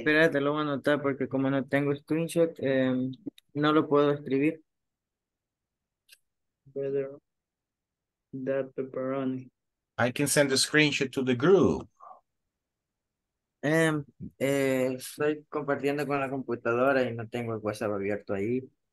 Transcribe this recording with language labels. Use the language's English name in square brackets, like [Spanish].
[Spanish] Espérate, lo voy a anotar porque como no tengo screenshot, no lo puedo escribir. [English] Better than pepperoni. I can send a screenshot to the group. [Spanish] Estoy compartiendo con la computadora y no tengo el WhatsApp abierto ahí.